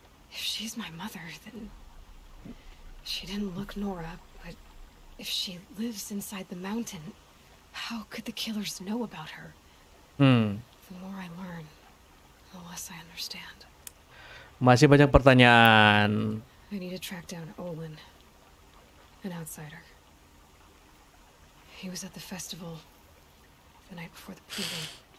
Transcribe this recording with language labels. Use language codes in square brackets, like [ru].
[en] If she's my mother, then she didn't look Nora, but if she lives inside the mountain, how could the killers know about her? Hmm. The more I learn, the less I understand. [id] Masih banyak pertanyaan. [en] I need to track down Olin, an outsider. He was at the festival the night before the proving.